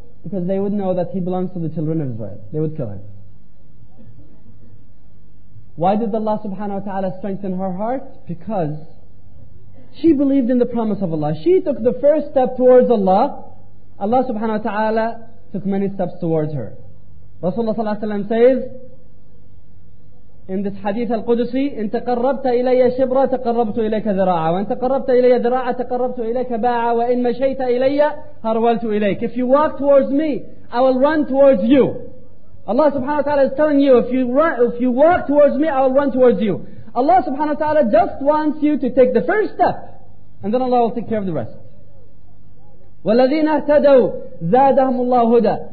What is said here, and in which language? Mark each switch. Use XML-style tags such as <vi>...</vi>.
<en>Because they would know that he belongs to the children of Israel. They would kill him. Why did Allah subhanahu wa ta'ala strengthen her heart? Because she believed in the promise of Allah. She took the first step towards Allah. Allah subhanahu wa ta'ala took many steps towards her. Rasulullah sallallahu alayhi wa sallam says in this hadith al-Qudusi,</en> <ar>"إن تقربت إلي شبرا تقربت إليك ذراعا وإن تقربت إلي ذراعا تقربت إليك باعا وإن مشيت إلي هرولت إليك."</ar> <en>If you walk towards me, I will run towards you. Allah subhanahu wa ta'ala is telling you, if you walk towards me, I will run towards you. Allah subhanahu wa ta'ala just wants you to take the first step, and then Allah will take care of the rest.</en> <ar>وَالَّذِينَ اهْتَدَوْا زَادَهُمُ اللَّهُ هُدَى.</ar>